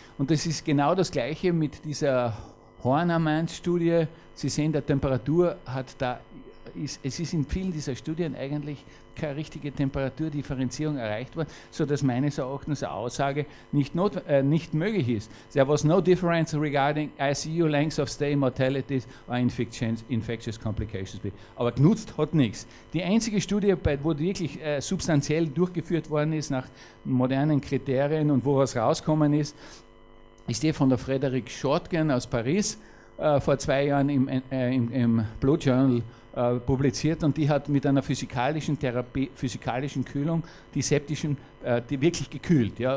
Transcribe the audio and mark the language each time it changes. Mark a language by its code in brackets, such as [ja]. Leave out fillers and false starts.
[de] Und das ist genau das Gleiche mit dieser Horner-Mainz-Studie. Sie sehen, der Temperatur hat da, es ist in vielen dieser Studien eigentlich keine richtige Temperaturdifferenzierung erreicht worden, sodass meines Erachtens eine Aussage nicht möglich ist. [en] There was no difference regarding ICU length of stay, mortalities or infectious complications. [de] Aber genutzt hat nichts. Die einzige Studie, wo wirklich substanziell durchgeführt worden ist, nach modernen Kriterien und wo was rausgekommen ist, ist die von der Frederic Schottgen aus Paris, vor 2 Jahren im Blood Journal publiziert und die hat mit einer physikalischen Therapie, physikalischen Kühlung die septischen, die wirklich gekühlt. Ja?